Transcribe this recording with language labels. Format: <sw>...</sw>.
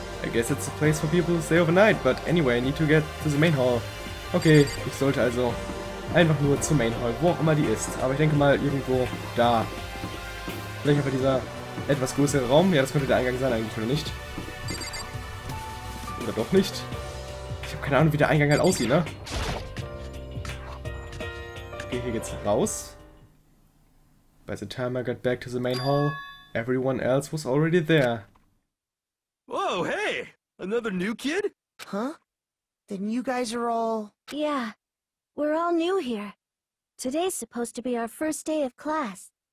<en>I guess it's a place for people to stay overnight, but anyway, I need to get to the main hall.</en> <de>Okay, ich sollte also einfach nur zur Main Hall, wo auch immer die ist. Aber ich denke mal irgendwo da. Vielleicht einfach dieser etwas größere Raum. Ja, das könnte der Eingang sein eigentlich, oder nicht? Oder doch nicht? Ich habe keine Ahnung, wie der Eingang halt aussieht, ne? Hier geht's raus.</de> <en>By the time I got back to the main hall, everyone else was already there. Whoa, hey! Another new kid? Huh? Then you guys are all... Yeah. We're all new here. Today's supposed to be our first day of class.</en>